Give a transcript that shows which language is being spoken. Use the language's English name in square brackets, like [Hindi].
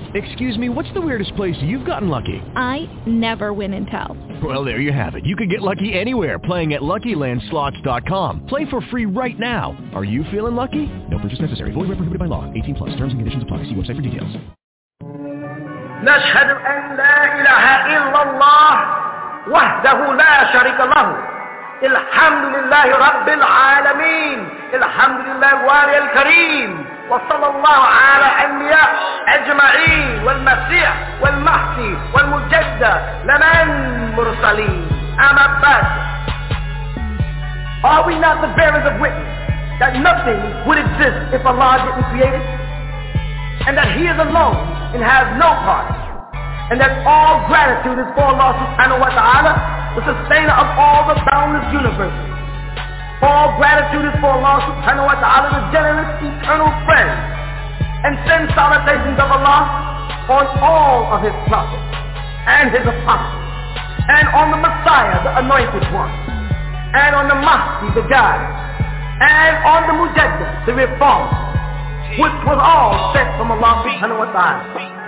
[English] Excuse me, what's the weirdest place you've gotten lucky? I never win and tell. Well, there you have it. You can get lucky anywhere, playing at LuckyLandSlots.com. Play for free right now. Are you feeling lucky? No purchase necessary. Void where prohibited by law. 18 plus. Terms and conditions apply. See website for details. [Arabic] نشهد أن لا إله إلا الله وحده لا شريك له الحمد لله رب العالمين الحمد لله الوالي الكريم وصلى الله على أنبياء أجمعين والمسيح والمحسي والمجدد لمن مرسلين أما بعد [English] Are we not the bearers of witness that nothing would exist if Allah didn't create it? And that He is alone and has no part, and that all gratitude is for Allah subhanahu wa ta'ala, the sustainer of all the boundless universes. All gratitude is for Allah subhanahu wa ta'ala, the generous eternal friend, and send salutations of Allah on all of His prophets and His apostles, and on the Messiah, the anointed one, and on the Mahdi, the guide, and on the Mujaddid, the reformer, which was all sent from Allah subhanahu wa ta'ala.